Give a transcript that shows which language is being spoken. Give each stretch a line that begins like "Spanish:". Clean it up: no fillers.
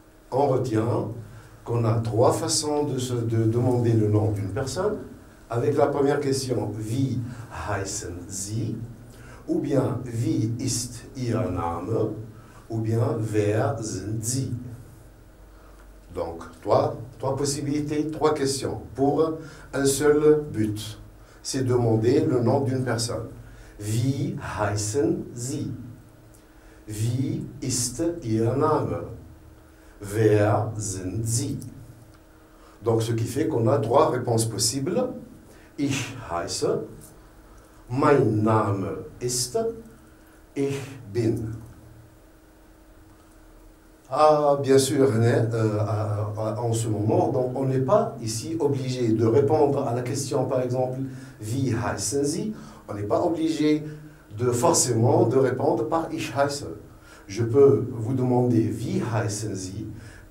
French: On retient qu'on a trois façons de demander le nom d'une personne, avec la première question «
German: Wie heißen Sie ?»
French: ou bien
German: « Wie ist Ihr Name ?»
French: ou bien
German: « Wer sind Sie ?»
French: Donc, trois possibilités, trois questions pour un seul but. C'est demander le nom d'une personne.
German: « Wie heißen Sie ?»« Wie ist Ihr Name ?» Wer sind Sie?
French: Donc, ce qui fait qu'on a trois réponses possibles.
German: Ich heiße, mein Name ist, ich bin.
French: Ah, bien sûr, en ce moment, donc, on n'est pas ici obligé de répondre à la question, par exemple,
German: wie heißen Sie?
French: On n'est pas obligé de répondre par
German: ich heiße.
French: Je peux vous demander «
German: Wie heißen Sie ?»